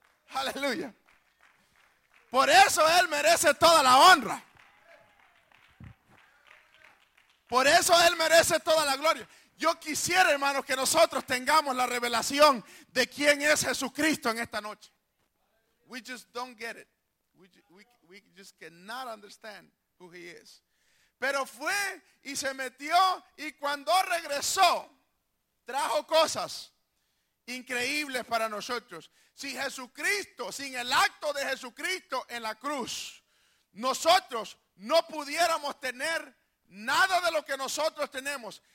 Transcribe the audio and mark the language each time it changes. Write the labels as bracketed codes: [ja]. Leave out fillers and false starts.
[es] Aleluya. Por eso él merece toda la honra. Por eso él merece toda la gloria. Yo quisiera, hermanos, que nosotros tengamos la revelación de quién es Jesucristo en esta noche. [en] We just don't get it. We just cannot understand who he is. [es] Pero fue y se metió, y cuando regresó, trajo cosas increíbles para nosotros. Sin Jesucristo, sin el acto de Jesucristo en la cruz, nosotros no pudiéramos tener nada de lo que nosotros tenemos.